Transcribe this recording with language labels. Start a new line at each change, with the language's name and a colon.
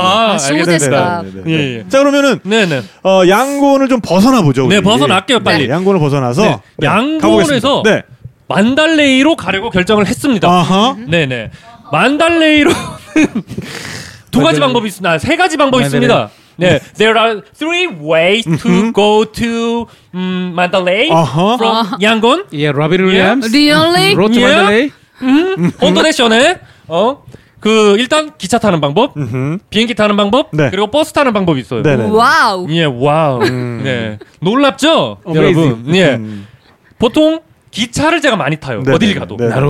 Korean: 알겠습니다. 자, 그러면은 양곤을 좀 벗어나 보죠. 네, 벗어날게요 빨리. 네. 양곤을 벗어나서 양곤에서 만달레이로 가려고 결정을 했습니다. 네네. 만달레이로 두 가지 방법이 있습니다. 세 가지 방법이 있습니다.
English: 네, there are three ways to go to Mandalay from Yangon. Yeah, Robbie Williams. Really? Road to Mandalay.
Korean: 온도네션에 그 일단 기차 타는 방법, 비행기 타는 방법, 그리고 버스 타는 방법이 있어요. 네네. 와우. 예, 와우. 네, 놀랍죠, 여러분. 예, 보통 기차를 제가 많이 타요. 네네. 어딜 가도. 네네.